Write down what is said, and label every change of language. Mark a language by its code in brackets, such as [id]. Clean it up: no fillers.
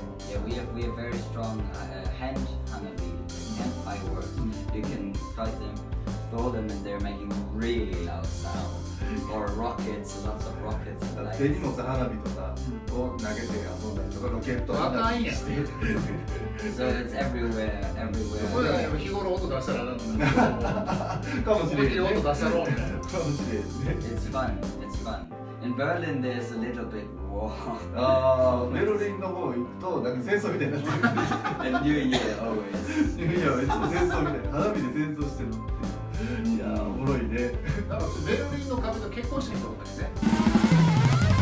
[en] Yeah, we have very strong hand hanabi, hand fireworks. You can try them, throw them and they're making really loud sound. Or rockets, lots of rockets. [ja] 手に持つ花火とかを投げて遊んだりとかロケット花火して。 [en] So it's everywhere. [ja] そこで日頃音出したらなんかもしれない。日頃音出したろうかもしれない。 [en] It's fun. In Berlin, there's a little bit war. [ja] ベルリンの方行くとなんか戦争みたいになってる。 [en] And New Year always. [ja] New Year いつも戦争みたいな花火で戦争してるって。いやおもろいね。ベルリンの壁と結婚式とかね。